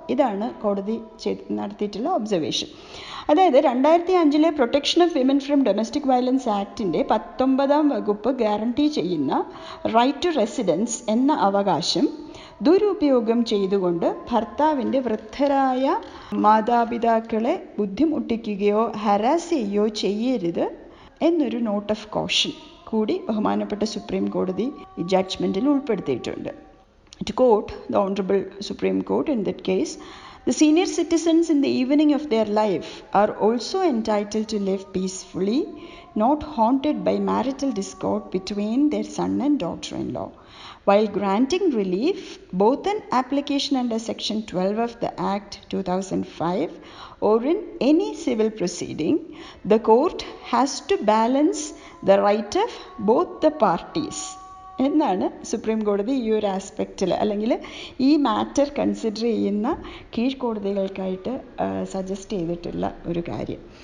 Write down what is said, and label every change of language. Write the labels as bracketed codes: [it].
[ml] ഇതാണ് കോടതി നടത്തിയിട്ടുള്ള ഒബ്സർവേഷൻ. അതായത് 2005 protection of women from domestic violence ആക്ടിൻ്റെ 19 guarantee ചെയ്യുന്ന റൈറ്റ് ടു റെസിഡൻസ് എന്ന അവകാശം ദുരുപയോഗം ചെയ്തുകൊണ്ട് ഭർത്താവിൻ്റെ വൃദ്ധരായ മാതാപിതാക്കളെ ബുദ്ധിമുട്ടിക്കുകയോ ഹരാസ് ചെയ്യുകയോ ചെയ്യരുത് എന്നൊരു [en] note of caution [ml] കൂടി ബഹുമാനപ്പെട്ട സുപ്രീം കോടതി ജഡ്ജ്മെൻറ്റിൽ ഉൾപ്പെടുത്തിയിട്ടുണ്ട്. To coat the honourable supreme court in that case, [en] the senior citizens in the evening of their life are also entitled to live peacefully, not haunted by marital discord between their son and daughter-in-law. While granting relief, both an application under Section 12 of the Act 2005 or in any civil proceeding, the court has to balance the right of both the parties. [ml] എന്നാണ് supreme കോടതി ഈ ഒരു [en] ആസ്പെക്റ്റിൽ, [ml] അല്ലെങ്കിൽ ഈ [en] matter consider ചെയ്യുന്ന [ml] കീഴ്ക്കോടതികൾക്കായിട്ട് suggest ചെയ്തിട്ടുള്ള ഒരു കാര്യം.